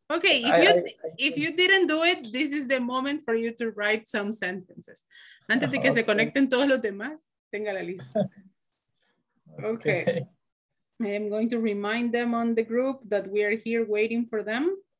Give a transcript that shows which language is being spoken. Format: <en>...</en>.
<en>Okay, if you didn't do it, this is the moment for you to write some sentences.</en> <es>Antes de que se conecten todos los demás, tenga la lista.</es> <en>Okay. I am going to remind them on the group that we are here waiting for them.</en>